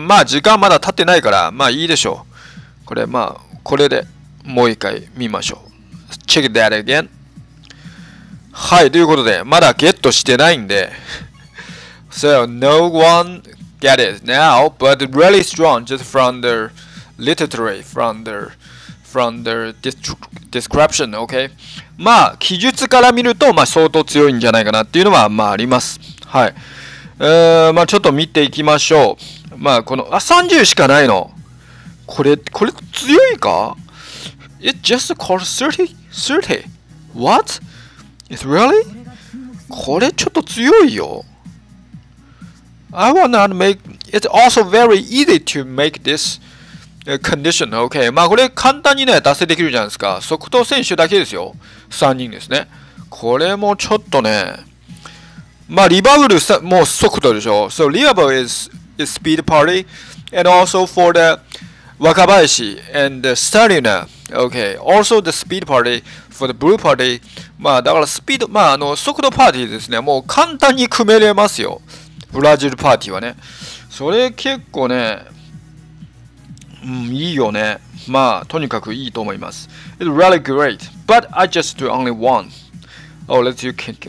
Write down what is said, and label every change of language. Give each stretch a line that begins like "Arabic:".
Japanese: まあ時間まだ経ってないからまあいいでしょう。これまあこれでもう一回見ましょう。
English: Check that again.
Japanese: はい、ということでまだゲットしてないんで。
English: So no one get it now, but really strong just from the literature, from the description, okay?
Japanese: まあ、記述から見ると、まあ、相当強いんじゃないかなっていうのは、まあ、あります。はい。まあ、ちょっと見ていきましょう。まあ、この、あ、30しかないの。これ強いか ?
English: It just called 30? What? It's really?
Japanese: これちょっと強いよ。
English: I will not make, it's also very easy to make this. Condition, okay.
Japanese: まあこれ簡単にね達成できるじゃないですか。速投選手だけですよ。3人ですね。これもちょっとね。まあリバブルさもう速度でしょ。
English: So リバブル is speed party and also for the 若林 and the Stalina. Okay. Also the speed party for the blue party.
Japanese: まあだからスピードまああの速度パーティーですね。もう簡単に組めれますよ。ブラジルパーティーはね。それ結構ね。うん、いいよね。まあ、とにかくいいと思います。
English: It's really great. But I just do only one. Oh, let's you kick.